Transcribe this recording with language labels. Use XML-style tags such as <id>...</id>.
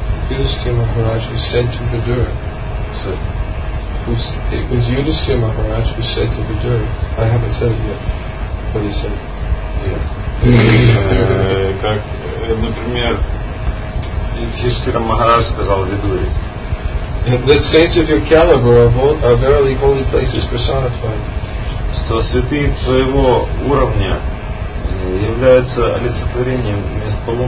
<en>Юдистхир Махарадж was sent to Vidura. It was Юдистхир Махарадж who said to Vidura. I haven't said it yet. What he said.</en> <ru>Как, например, Юдистхир Махарадж сказал Видуре.</ru> <en>The saints of your caliber are verily holy places personified.</en> <ru>Что святые твоего уровня является олицетворением мест</ru>